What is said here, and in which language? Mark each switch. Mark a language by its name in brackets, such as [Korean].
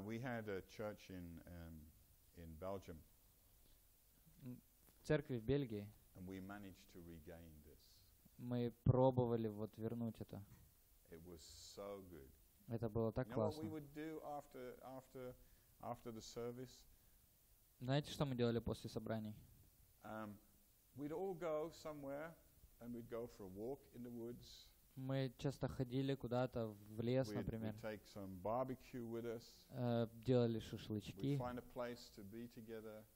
[English] We had a church in Belgium. [Russian] Церкви в Бельгии. [English] And we managed to regain this. [Russian] Мы пробовали вот вернуть это. [English] It was so good. [Russian] Это было так классно. [English] What we would do after the service? [Russian] Знаете, что мы делали после собраний? [English] We'd all go somewhere and we'd go for a walk in the woods. [Russian] Мы часто ходили куда-то в лес, например. [English] We'd take some barbecue with us. [Russian] Делали шашлычки. [English] We'd find a place to be together.